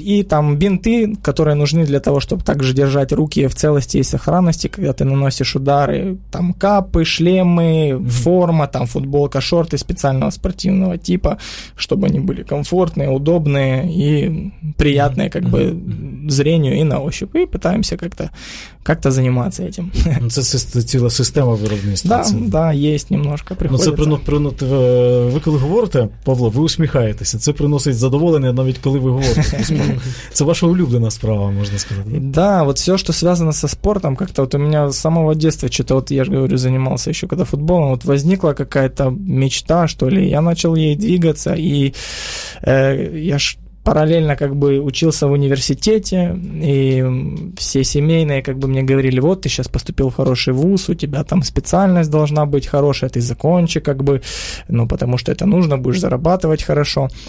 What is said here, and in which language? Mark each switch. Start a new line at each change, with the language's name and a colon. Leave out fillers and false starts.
Russian: И там бинты, которые нужны для того, чтобы также держать руки в целости и сохранности, когда ты наносишь удары. Там капы, шлемы, форма, там футболка, шорты специального спортивного типа, чтобы они были комфортные, удобные и приятные как бы зрению и на ощупь. И пытаемся как-то как-то заниматься этим.
Ukrainian: Ну, це ціла система виробництва.
Russian: Да, да, есть немножко, приходится.
Ukrainian: Ну, це приносить, ви коли говорите, Павло, ви усміхаєтеся, це приносить задоволення, навіть коли ви говорите. Це ваша улюблена справа, можна сказати.
Russian: Да, вот все, что связано со спортом, как-то вот у меня с самого детства, что-то вот я же говорю, занимался еще когда футболом, вот возникла какая-то мечта, что ли, я начал ей двигаться, и я ж параллельно как бы учился в университете, и все семейные как бы мне говорили, вот ты сейчас поступил в хороший вуз, у тебя там специальность должна быть хорошая, ты закончи как бы, ну потому что это нужно, будешь зарабатывать хорошо.